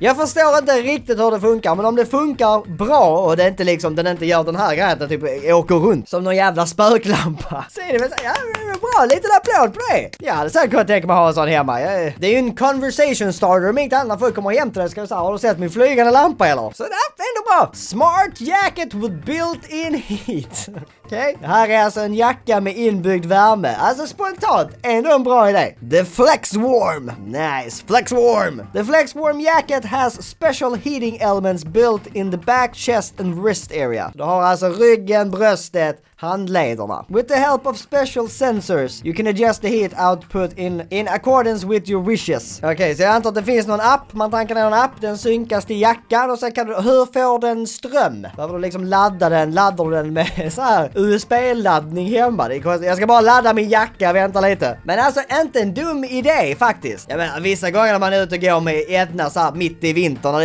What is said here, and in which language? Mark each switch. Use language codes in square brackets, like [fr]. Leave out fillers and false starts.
[sv] Jag förstår inte riktigt hur det funkar. Men om det funkar bra och det inte liksom, den inte gör den här grejen att den typ åker runt som någon jävla spöklampa. Så är det väl så, ja, bra, lite applåd på det. Ja, det är säkert att tänka mig ha en sån hemma. Det är ju en conversation starter. Om inte annan folk kommer hem till det ska jag säga, har du sett min flygande lampa eller? Så det är ändå bra. [en] Smart jacket with built-in heat. [sv] Okej, okay. Här är alltså en jacka med inbyggd värme. Alltså spontant, ändå en bra idé. [en] The Flex Warm. Nice, Flex Warm. The Flex Warm jacket has special heating elements built in the back, chest and wrist area. [sv] Du har alltså ryggen, bröstet, handlederna. [en] With the help of special sensors, you can adjust the heat output in accordance with your wishes. [sv] Okej, okay, så jag antar att det finns någon app. Man tankar ner en app, den synkas till jackan. Och sen kan du, hur får den ström? Behöver du liksom ladda den? Laddar du den med så här USB-laddning hemma? Jag ska bara ladda min jacka, vänta lite. Men alltså, inte en dum idé faktiskt. Jag menar, vissa gånger när man är ute och går med Edna så här mitt i vintern.